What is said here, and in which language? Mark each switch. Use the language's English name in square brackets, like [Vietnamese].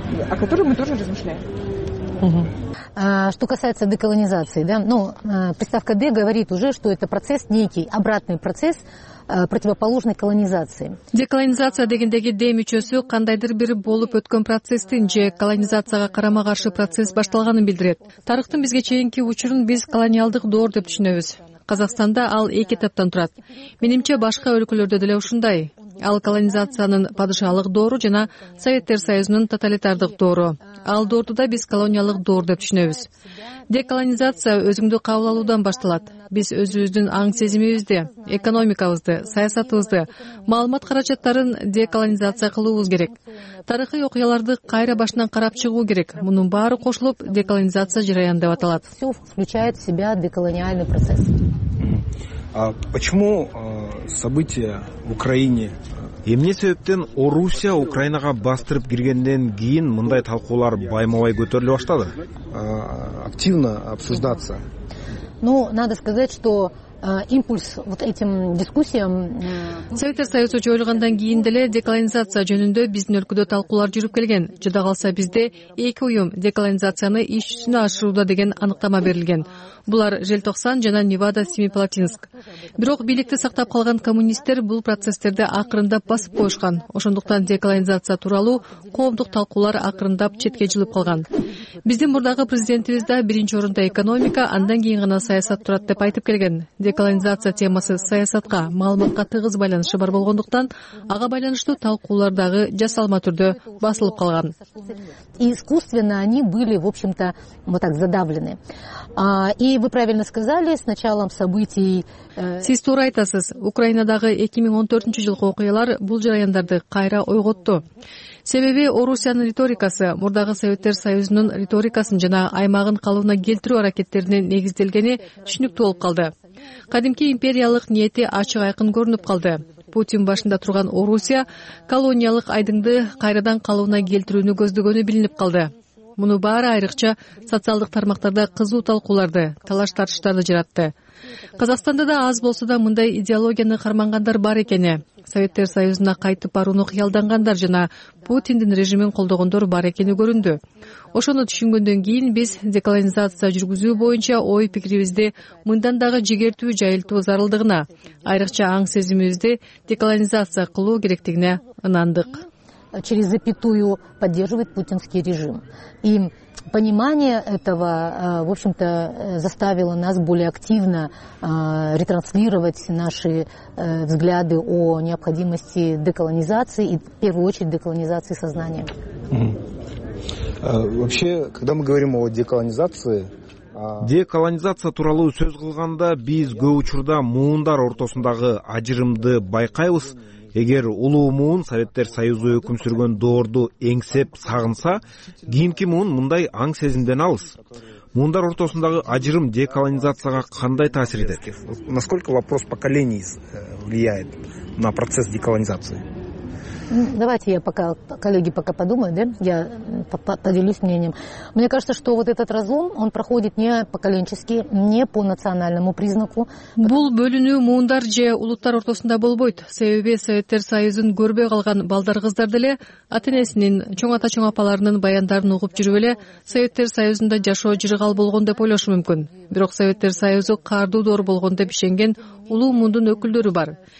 [Russian] О которой мы тоже размышляем. Что касается деколонизации, да, ну, приставка «де» говорит уже, что это процесс некий, обратный процесс противоположной колонизации. [Kyrgyz] Деколонизация дегендеги «де» мүчөсү кандайдыр бир болуп өткөн процесстин же колонизацияга карама-каршы процесс башталганын билдирет. Тарыхтын бизге чейинки учурун биз колониялдык доор деп түшүнөбүз. Казакстанда ал эки этаптан турат. Менимче башка өлкөлөрдө деле ушундай. Ал колонизациянын падышалык доору жана Советтер Союзунун тоталитардык доору. Ал доорду да биз колониялык доор деп түшүнөбүз. Деколонизация өзүңдү кабыл алуудан башталат. Биз өзүбүздүн аң сезимибизди, экономикабызды, саясатыбызды, маалымат каражаттарын деколонизация кылуубуз керек. Тарыхый окуяларды кайра башынан карап чыгуу керек. Мунун баары кошулуп деколонизация жараяны деп аталат. [Russian] Все включает в себя деколониальный процесс. А почему события в Украине? [Kyrgyz] Эмне себептен Орусия Украинага бастырып киргенден кийин мындай талкуулар байма-бай көтөрүлө баштады? [Russian] Активно обсуждаться. Ну, надо сказать, что импульс вот этим дискуссиям [Kyrgyz] Советтер Союзу жоюлгандан кийин деле деколонизация жөнүндө биздин өлкөдө талкуулар жүрүп келген. Жада калса бизде эки уюм деколонизацияны иш жүзүнө ашырууда деген аныктама берилген. Булар Желтоксан жана Невада Семипалатинск. Бирок бийликти сактап калган коммунисттер бул процесстерди акырындап басып коюшкан. Ошондуктан деколонизация тууралуу коомдук талкуулар акырындап четке жылып калган. Биздин мурдагы президентибиз да биринчи орунда экономика, андан кийин гана саясат турат деп айтып келген. Деколонизация темасы саясатка, маалыматка тыгыз байланышы бар болгондуктан, ага байланыштуу талкуулар дагы жасалма түрдө басылып калган. [Russian] Искусственно они были, в общем-то, вот так задавлены. И вы правильно сказали, с началом событий... [Kyrgyz] Сиз туура айтасыз. Украинадагы 2014 жылкы окуялар бул жараяндарды кайра ойготту. Себеби Орусиянын риторикасы мурдагы Советтер Союзунун риторикасын жана аймагын калыбына келтирүү аракеттерине негизделгени түшүнүктүү болуп калды. Кадимки империялык ниети ачык айкын көрүнүп калды. Путин башында турган Орусия колониялык айдыңды кайрадан калыбына келтирүүнү көздөгөнү билинип калды. Муну баары айрыкча социалдык тармактарда кызуу талкууларды, талаш тартыштарды жаратты. Казакстанда да аз болсо да мындай идеологияны кармангандар бар экени. Советтер Союзуна кайтып барууну кыялдангандар жана Путиндин режимин колдогондор бар экени көрүндү. Ошону түшүнгөндөн кийин биз деколонизация жүргүзүү боюнча ой пикирибизди мындан дагы жигертүү жайылтуу зарылдыгына, айрыкча аң сезимибизди деколонизация кылуу керектигине ынандык. [Russian] Через запятую поддерживает путинский режим. И понимание этого, в общем-то, заставило нас более активно ретранслировать наши взгляды о необходимости деколонизации и, в первую очередь, деколонизации сознания. Вообще, когда мы говорим о деколонизации... [Kyrgyz] Деколонизация туралы сөз кылганда биз көп учурда муундар ортосундагы ажырымды байкайбыз. Эгер улуу муун Советтер Союзу өкүм сүргөн доорду эңсеп сагынса, кийинки муун мындай аң сезимден алыс. Муундар ортосундагы ажырым деколонизацияга кандай таасир этет? [Russian] Насколько вопрос поколений влияет на процесс деколонизации? Давайте я пока, коллеги, пока подумаю, да, я поделюсь мнением. Мне кажется, что вот этот разлом, он проходит не поколенчески, не по национальному признаку. [Kyrgyz] Бул бөлүнүү муундар же улуттар ортосунда болбойт. Себеби Советтер Союзун көрбөй калган балдар-кыздар деле ата-энесинин, чоң ата-чоң апаларынын баяндарын угуп жүрүп эле Советтер Союзунда жашоо жыргал болгон деп ойлошу мүмкүн. Бирок Советтер Союзу кардуу доор болгон деп ишенген улуу муундун өкүлдөрү бар.